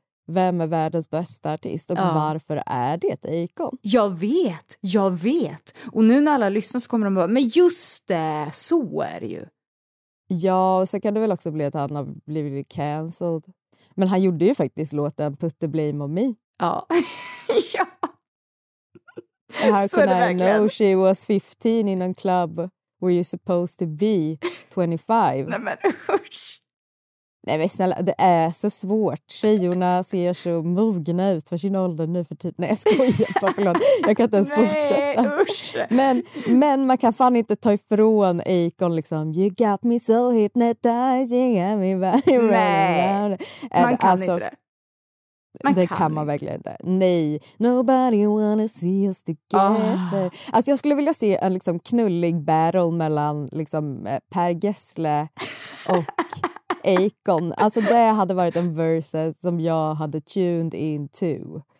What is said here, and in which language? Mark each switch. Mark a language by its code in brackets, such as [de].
[sv] Vem är världens bästa artist och varför är det Akon? Jag vet. Och nu när alla lyssnar så kommer de bara... Men just det, så är det ju. Ja, så kan det väl också bli att han har blivit cancelled. Men han gjorde ju faktiskt låten Put the Blame on Me. Ja. Ja. [en] How [sv] så [en] can I know she was 15 in a club where you're supposed to be 25? [sv] Nej, men usch. Nej, men snälla, det är så svårt. Tjejorna ser så mogna ut för sin ålder nu för tiden. Nej, jag skojar, bara förlåt. Jag kan inte ens fortsätta. Nej, usch. Men man kan fan inte ta ifrån Akon liksom. [en] You got me so hypnotized, you got me very well. [sv] Nej, man kan alltså, inte det. Man det kan man verkligen inte. Nej, [en] nobody wanna see us together. Oh. [sv] Alltså jag skulle vilja se en liksom knullig battle mellan liksom Per Gessle och... Akon, alltså det hade varit en verse som jag hade [en] tuned in to.